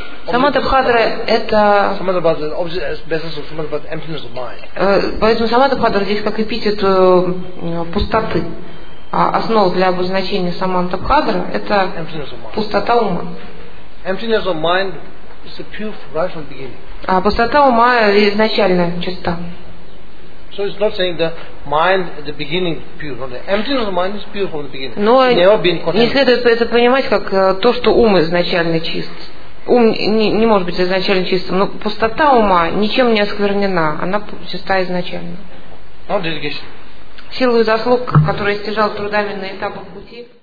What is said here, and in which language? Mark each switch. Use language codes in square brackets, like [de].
[ru] Самадабхадра это... Поэтому Самадабхадра здесь как эпитет пустоты. А основа для обозначения Самадабхадра – это пустота ума. [en] Emptiness of mind is a pure right from the beginning. [ru] А пустота ума изначально чиста. [en] So it's not saying the mind at the beginning pure. No, the emptiness of mind is pure from the beginning. [ru] Но не следует это понимать как то, что ум изначально чист. Ум не может быть изначально чистым. Но пустота ума ничем не осквернена. Она чиста изначально. [en] No delegation. [ru] В силу заслуг, которые стяжал трудами на этапах пути.